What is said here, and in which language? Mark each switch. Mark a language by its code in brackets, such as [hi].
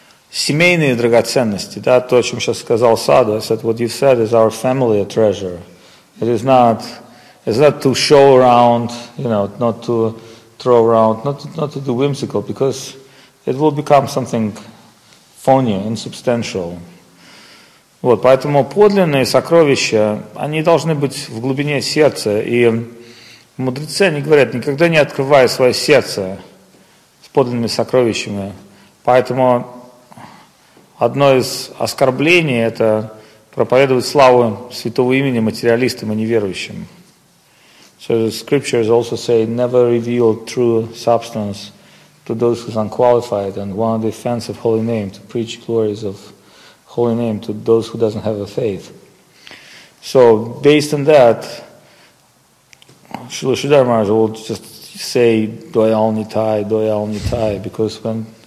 [ru] Есть семейные драгоценности, да, то, о чем сейчас сказал Саду. [en] I said, what you said is our family a treasure. It's not to show around, you know, not to throw around, not to do whimsical, because it will become something phony, insubstantial. [ru] Вот, поэтому подлинные сокровища, они должны быть в глубине сердца. И мудрецы, они говорят, никогда не открывай свое сердце с подлинными сокровищами. Поэтому одно из оскорблений – это проповедовать славу святого имени материалистам и неверующим. [en] So the scriptures also say, never reveal true substance to those who are unqualified and want the defense of holy name, to preach glories of holy name to those who doesn't have a faith. So based on that, Srila Sridhar Maharaj will just say, Doyal Nitai, Doyal Nitai, because when